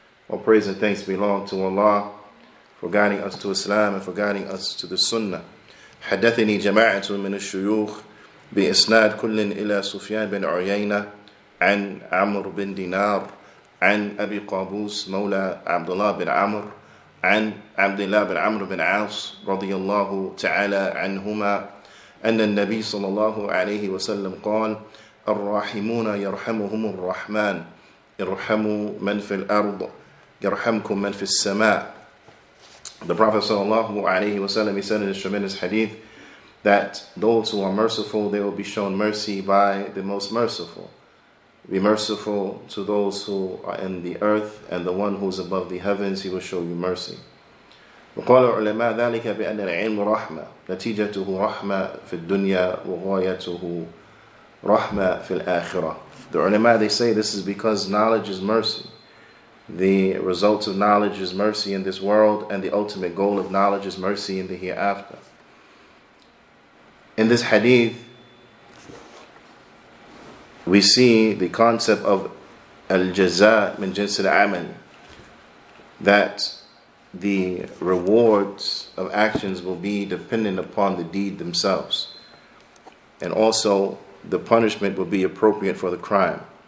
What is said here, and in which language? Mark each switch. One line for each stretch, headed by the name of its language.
English: All praise and thanks belong to Allah for guiding us to Islam and for guiding us to the Sunnah.
Arabic: حَدَّثِنِي جَمَاعَةٌ مِنَ الشُّيُوخِ بِإِسْنَاد كُلٍّ إِلَى سُفْيَانَ بِنْ عُيَيْنَةَ عَنْ عَمْرُ بِنْ دِينَارَ عَنْ أَبِي قَابُوسَ مَوْلَى عَبْدِ اللَّهِ بِنْ عَمْرُ عن عبد الله بن عمرو بن عاص رضي الله تعالى عنهما أن النبي صلى الله عليه وسلم قال الراحمون يرحمهم الرحمن ارحموا من في الأرض يرحمكم من في السماء.
English: The Prophet
Arabic: صلى الله عليه وسلم,
English: he said in his tremendous hadith that those who are merciful, they will be shown mercy by the most merciful. Be merciful to those who are in the earth, and the one who is above the heavens, he will show you mercy.
Arabic: وقال العلماء ذلك بأن العلم رحمة نتيجته رحمة في الدنيا وغايته رحمة في الآخرة.
English: The ulama, they say this is because knowledge is mercy. The result of knowledge is mercy in this world, and the ultimate goal of knowledge is mercy in the hereafter. In this hadith, we see the concept of al-jaza min jins al-amal, that the rewards of actions will be dependent upon the deed themselves, and also the punishment will be appropriate for the crime.